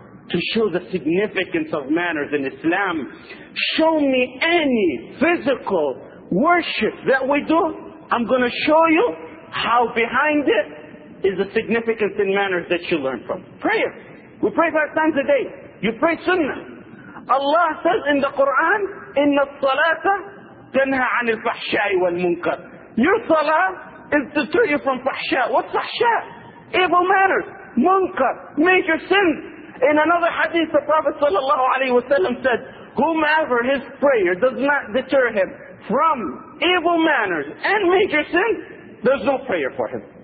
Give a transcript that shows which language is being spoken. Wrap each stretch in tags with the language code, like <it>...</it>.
<en>To show the significance of manners in Islam. Show me any physical worship that we do, I'm going to show you how behind it is the significance in manners that you learn from. Prayer. We pray 5 times a day. You pray sunnah. Allah says in the Quran,</en> <ar>إِنَّ الصَّلَاةَ تَنْهَى عَنِ الْفَحْشَاءِ وَالْمُنْكَرِ.</ar> <en>Your salah is to turn you from fahsha. What's fahsha? Evil manners. Munkar. Major sins. In another hadith, the Prophet sallallahu alayhi wa sallam said, whomever his prayer does not deter him from evil manners and major sins, there's no prayer for him.</en>